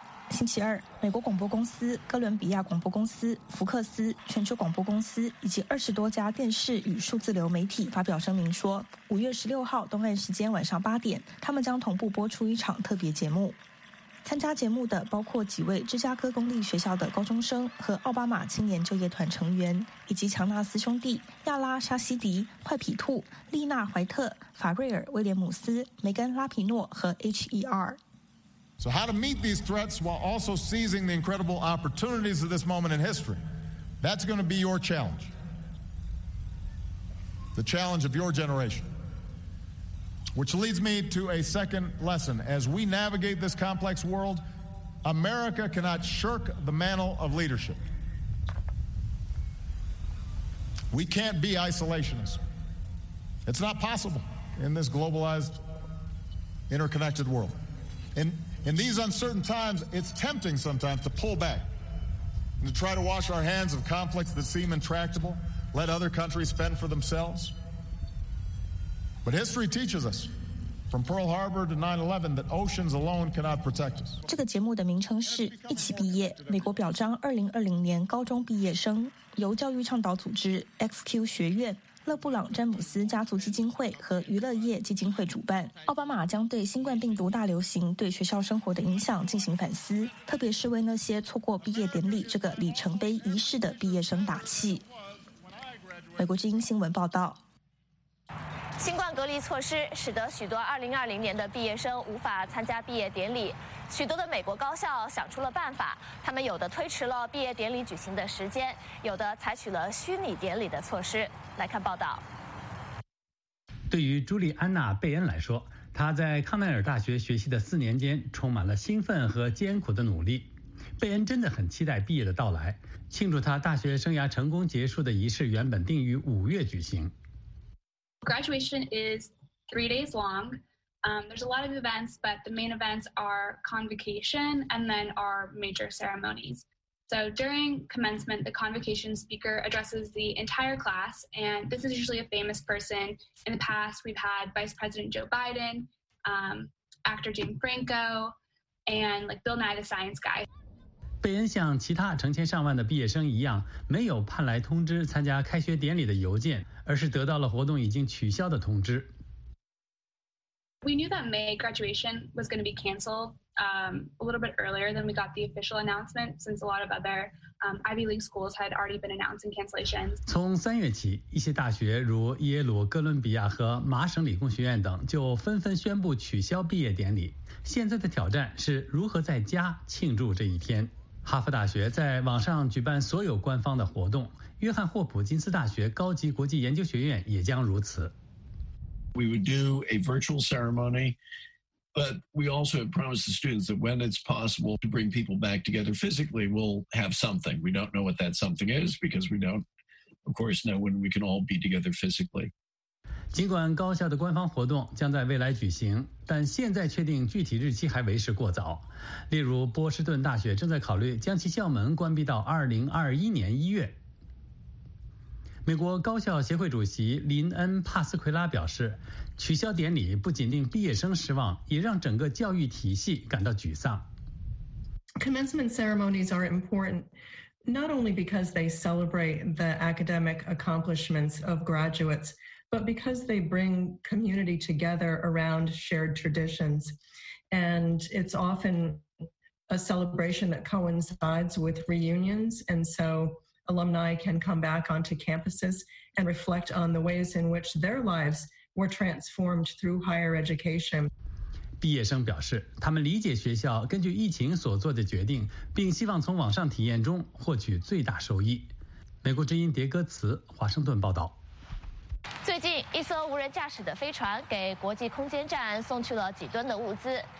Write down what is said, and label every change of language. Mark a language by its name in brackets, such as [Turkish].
[Chinese] 星期二，美国广播公司、哥伦比亚广播公司、福克斯、全球广播公司以及20多家电视与数字流媒体发表声明说，5月16号东岸时间晚上8点，他们将同步播出一场特别节目。参加节目的包括几位芝加哥公立学校的高中生和奥巴马青年就业团成员，以及强纳斯兄弟、亚拉沙西迪、坏皮兔、丽娜怀特、法瑞尔威廉姆斯、梅根拉皮诺和 HER。 [English] So how to meet these threats while also seizing the incredible opportunities of this moment in history? That's going to be your challenge. The challenge of your generation. Which leads me to a second lesson. As we navigate this complex world, America cannot shirk the mantle of leadership. We can't be isolationists. It's not possible in this globalized, interconnected world. In these uncertain times, it's tempting sometimes to pull back and to try to wash our hands of conflicts that seem intractable, let other countries fend for themselves. But history teaches us, from Pearl Harbor to 9/11, that oceans alone cannot protect us. [Chinese] 这个节目的名称是《一起毕业：美国表彰2020年高中毕业生》，由教育倡导组织 XQ 学院、勒布朗詹姆斯家族基金会和娱乐业基金会主办。奥巴马将对新冠病毒大流行对学校生活的影响进行反思，特别是为那些错过毕业典礼这个里程碑仪式的毕业生打气。美国之音新闻报道。新冠隔离措施使得许多2020年的毕业生无法参加毕业典礼，许多的美国高校想出了办法，他们有的推迟了毕业典礼举行的时间，有的采取了虚拟典礼的措施。来看报道。对于朱莉安娜·贝恩来说，她在康奈尔大学学习的四年间充满了兴奋和艰苦的努力。贝恩真的很期待毕业的到来，庆祝她大学生涯成功结束的仪式原本定于五月举行。 [English] Graduation is 3 days long. There's a lot of events, but the main events are convocation and then our major ceremonies. So during commencement, the convocation speaker addresses the entire class, and this is usually a famous person. In the past, we've had Vice President Joe Biden, actor James Franco, and like Bill Nye, the science guy. [Chinese] 贝恩像其他成千上万的毕业生一样，没有盼来通知参加开学典礼的邮件。而是得到了活动已经取消的通知。 [English] We knew that May graduation was going to be canceled a little bit earlier than we got the official announcement, since a lot of other Ivy League schools had already been announcing cancellations. [Chinese] 从三月起，一些大学如耶鲁、哥伦比亚和麻省理工学院等就纷纷宣布取消毕业典礼。现在的挑战是如何在家庆祝这一天。哈佛大学在网上举办所有官方的活动。约翰霍普金斯大学高级国际研究学院也将如此。 [English] We would do a virtual ceremony, but we also have promised the students that when it's possible to bring people back together physically, we'll have something. We don't know what that something is because we don't, of course, know when we can all be together physically. [Chinese] 尽管高校的官方活动将在未来举行，但现在确定具体日期还为时过早。例如，波士顿大学正在考虑将其校门关闭到2021年1月。美国高校协会主席林恩·帕斯奎拉表示，取消典礼不仅令毕业生失望，也让整个教育体系感到沮丧。 [English] Commencement ceremonies are important, not only because they celebrate the academic accomplishments of graduates, but because they bring community together around shared traditions. And it's often a celebration that coincides with reunions, and so,alumni can come back onto campuses and reflect on the ways in which their lives were transformed through higher education. [Chinese] 毕业生表示，他们理解学校根据疫情所做的决定，并希望从网上体验中获取最大收益。美国之音迭戈茨，华盛顿报道。最近，一艘无人驾驶的飞船给国际空间站送去了几吨的物资。